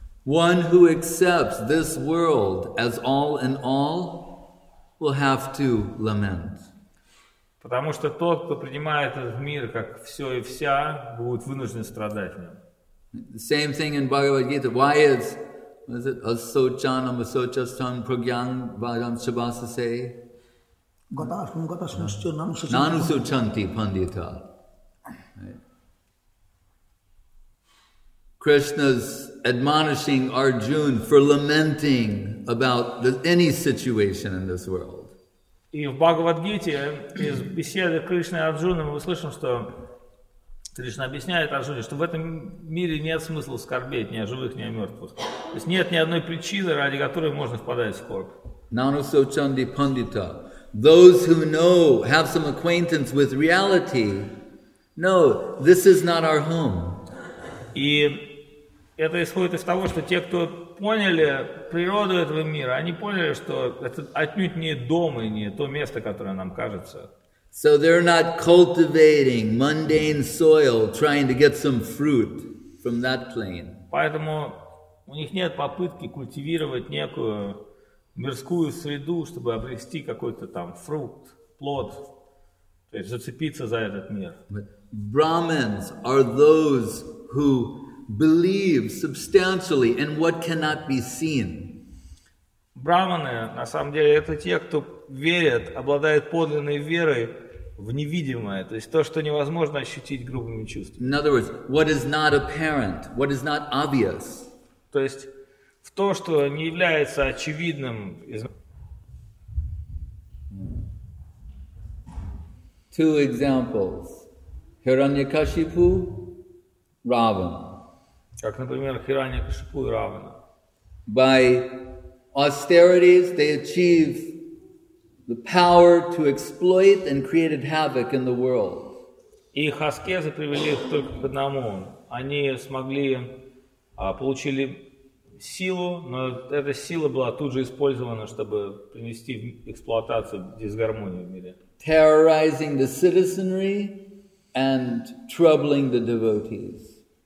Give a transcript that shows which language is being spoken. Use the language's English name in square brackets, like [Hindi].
[English] One who accepts this world as all in all will have to lament. [Russian] Потому что тот, кто принимает этот мир как все и вся, будет вынужден страдать в нем. [English] Same thing in Bhagavad Gita. Why is, what is it, [Sanskrit] asochanam asochastam pragyang vajam shabhasase? Gatasam gatasam shchanam shachanam. Nanu sochanti pandita. [English] Krishna's admonishing Arjuna for lamenting about any situation in this world. [Russian] И в Бхагавад-гите из беседы Кришны и Арджуны мы услышим, что Кришна объясняет Арджуне, что в этом мире нет смысла скорбеть ни о живых, ни о мертвых. То есть нет ни одной причины, ради которой можно впадать в скорбь. [Sanskrit] Nanusochandi pandita. [English] Those who know, have some acquaintance with reality, know this is not our home. [Russian] И это исходит из того, что те, кто поняли природу этого мира, они поняли, что это отнюдь не дом и не то место, которое нам кажется. [English] So they're not cultivating mundane soil, trying to get some fruit from that plane. [Russian] Поэтому у них нет попытки культивировать некую мирскую среду, чтобы обрести какой-то там фрукт, плод, то есть зацепиться за этот мир. [English] But Brahmins are those who believe substantially in what cannot be seen. [Russian] Брахманы, на самом деле, это те, кто верят, обладают подлинной верой в невидимое, то есть то, что невозможно ощутить грубыми чувствами. [English] In other words, what is not apparent, what is not obvious. [Russian] То есть в то, что не является очевидным. [English] Two examples. Hiranyakashipu, Ravana. [Russian] Как, например, Хираньякашипу и Равана. [English] By austerities they achieve the power to exploit and created havoc in the world. [Russian] Их аскезы привели их только к одному. Они смогли, получили силу, но эта сила была тут же использована, чтобы принести в эксплуатацию дисгармонию в мире. [English] Terrorizing the citizenry and troubling the devotees.